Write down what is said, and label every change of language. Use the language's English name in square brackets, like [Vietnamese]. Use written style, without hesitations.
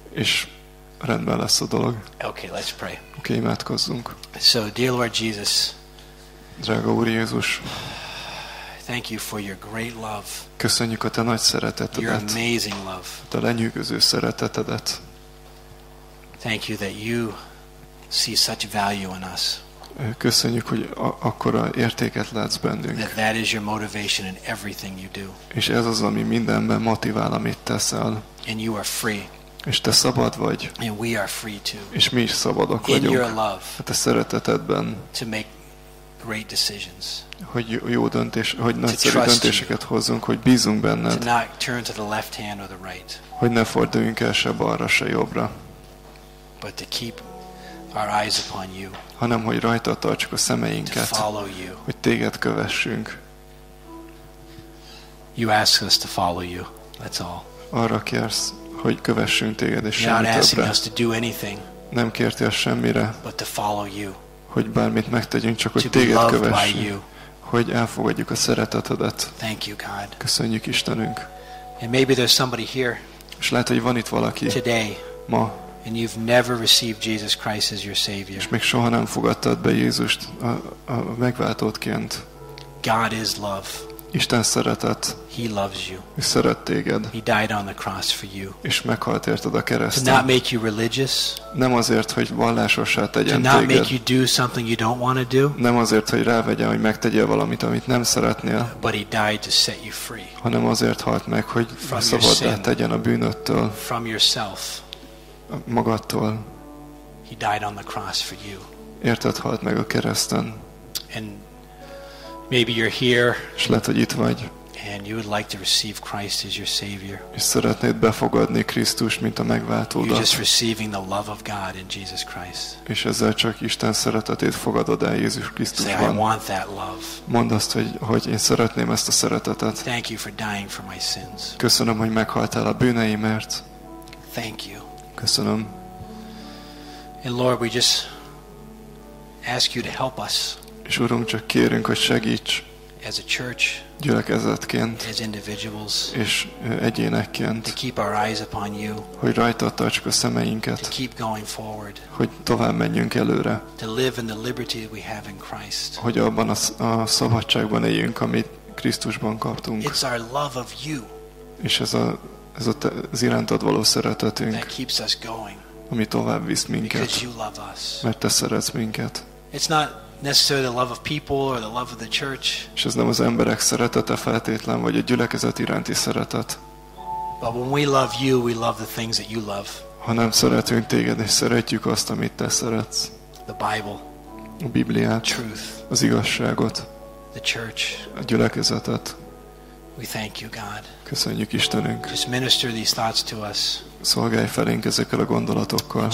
[Hungarian] És rendben lesz a dolog. [English] Okay, let's pray. [Hungarian] Okay, imádkozzunk. [English] So, dear Lord Jesus. [Hungarian] Drága Úr Jézus. [English] Thank you for your great love. [Hungarian] Köszönjük a te nagy szeretetedet. [English] Your amazing love. [Hungarian] Te lenyűgöző szeretetedet. [English] Thank you that you see such value in us. [Hungarian] Köszönjük, hogy akkora értéket látsz bennünk. [English] That is your motivation in everything you do. [Hungarian] És ez az, ami mindenben motivál, amit teszel. [English] And you are free. [Hungarian] És te szabad vagy. [English] And we are free too. [Hungarian] És mi is szabadok vagyunk. [English] In your love. [Hungarian] A te szeretetedben. [English] To make great decisions. [Hungarian] Hogy jó döntés, hogy nagyszerű döntéseket hozzunk, hogy bízunk benned. [English] To not turn to the left hand or the right. [Hungarian] Hogy ne forduljunk el se balra, se jobbra. [English] But to keep our eyes upon you. [Hungarian] Hanem hogy rajta tartsuk a szemeinket. [English] To follow you. [Hungarian] Hogy téged kövessünk. [English] You ask us to follow you. That's all. [Hungarian] Arra kérsz, hogy kövessünk téged és semmi többre. [English] You're not asking us to do anything. [Hungarian] Nem kértél semmire. [English] But to follow you. [Hungarian] Hogy bármit megtegyünk, csak hogy téged kövessünk. Hogy elfogadjuk a szeretetedet. [English] Thank you, God. [Hungarian] Köszönjük, Istenünk. [English] And maybe there's somebody here. [Hungarian] És lehet, hogy van itt valaki. [English] Today. [Hungarian] Ma. [English] And you've never received Jesus Christ as your savior. [Hungarian] És még soha nem fogadtad be Jézust a megváltódként. [English] God is love. [Hungarian] Isten szeretet. [English] He loves you. [Hungarian] Ő szeret téged. [English] He died on the cross for you. [Hungarian] És meghalt érted a kereszten. [English] To not make you religious. [Hungarian] Nem azért, hogy vallásossá tegyen téged. [English] To not make you do something you don't want to do. [Hungarian] Nem azért, hogy rávegye, hogy megtegyél valamit, amit nem szeretnél. [English] But he died to set you free. [Hungarian] Hanem azért halt meg, hogy szabaddá tegyen a bűnöttől. [English] From yourself. [Hungarian] Magadtól. [English] He died on the cross for you. [Hungarian] Érted, halt meg a kereszten. [English] And maybe you're here. [Hungarian] És lehet, hogy itt vagy. [English] And you would like to receive Christ as your savior. [Hungarian] És szeretnéd befogadni Krisztust, mint a megváltódat. [English] You're just receiving the love of God in Jesus Christ. [Hungarian] És ezzel csak Isten szeretetét fogadod el Jézus Krisztusban. [English] Say, I want that love. [Hungarian] Mondd azt, hogy én szeretném ezt a szeretetet. [English] Thank you for dying for my sins. [Hungarian] Köszönöm, hogy meghaltál a bűneimért. [English] Thank you. [Hungarian] Köszönöm. [English] And Lord, we just ask you to help us. [Hungarian] És Urunk, csak kérünk, hogy segíts. [English] As a church. [Hungarian] Gyülekezetként. [English] As individuals. [Hungarian] És egyénekként. [English] To keep our eyes upon you. [Hungarian] Hogy rajtad tartsuk a szemeinket. [English] To keep going forward. [Hungarian] Hogy tovább menjünk előre. [English] To live in the liberty we have in Christ. [Hungarian] Hogy abban a szabadságban éljünk, amit Krisztusban kaptunk. [English] It's our love of you. [Hungarian] És ez a te, az irántad való szeretetünk, [English] that keeps us going, [Hungarian] ami tovább visz minket, [English] because you love us. [Hungarian] Mert te szeretsz minket. [English] It's not necessarily the love of people or the love of the church. [Hungarian] És ez nem az emberek szeretete feltétlen, vagy a gyülekezet iránti szeretet. [English] But when we love you, we love the things that you love. [Hungarian] Hanem szeretünk téged, és szeretjük azt, amit te szeretsz. [English] The Bible. [Hungarian] A Bibliát. [English] Truth. [Hungarian] Az igazságot. [English] The church. [Hungarian] A gyülekezetet. [English] We thank you, God. [Hungarian] Köszönjük, Istenünk. [English] Just minister these thoughts to us. [Hungarian] Szolgálj felénk ezekkel a gondolatokkal.